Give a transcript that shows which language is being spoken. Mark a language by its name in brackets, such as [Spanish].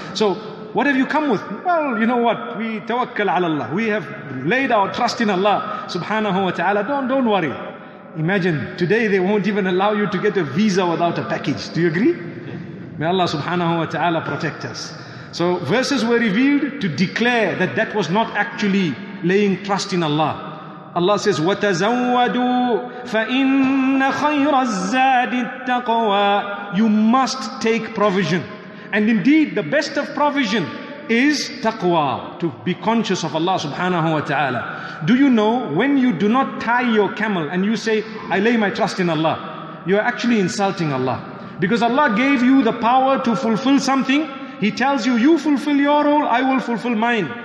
[English] So what have you come with? Well, you know what, we tawakkal ala Allah, we have laid our trust in Allah subhanahu wa ta'ala, don't worry. Imagine, today they won't even allow you to get a visa without a package. Do you agree? May Allah subhanahu wa ta'ala protect us. So verses were revealed to declare that that was not actually laying trust in Allah. Allah says, [Arabic] وَتَزَوَّدُوا فَإِنَّ خَيْرَ الزَّادِ التَّقْوَى. [English] You must take provision. And indeed, the best of provision is taqwa, to be conscious of Allah subhanahu wa ta'ala. Do you know, when you do not tie your camel and you say, I lay my trust in Allah, you are actually insulting Allah. Because Allah gave you the power to fulfill something. He tells you, you fulfill your role, I will fulfill mine.